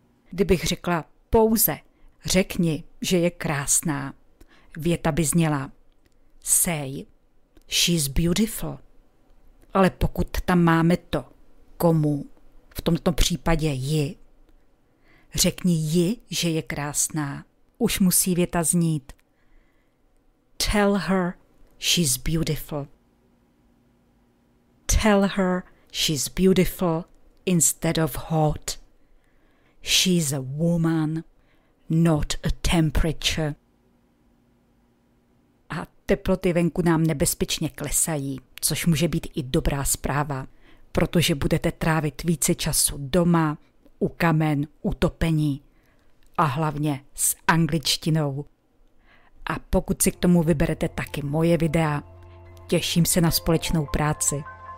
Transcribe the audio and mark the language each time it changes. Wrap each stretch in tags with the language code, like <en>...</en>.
<cs>Kdybych řekla pouze řekni, že je krásná, věta by zněla</cs> <en>say, she's beautiful.</en> <cs>Ale pokud tam máme to komu, v tomto případě ji, řekni ji, že je krásná. Už musí věta znít.</cs> <en>Tell her she's beautiful. Tell her she's beautiful instead of hot. She's a woman, not a temperature.</en> <cs>A teploty venku nám nebezpečně klesají, což může být i dobrá zpráva. protože budete trávit více času doma, u kamen, u topení a hlavně s angličtinou. A pokud si k tomu vyberete taky moje videa, těším se na společnou práci.</cs>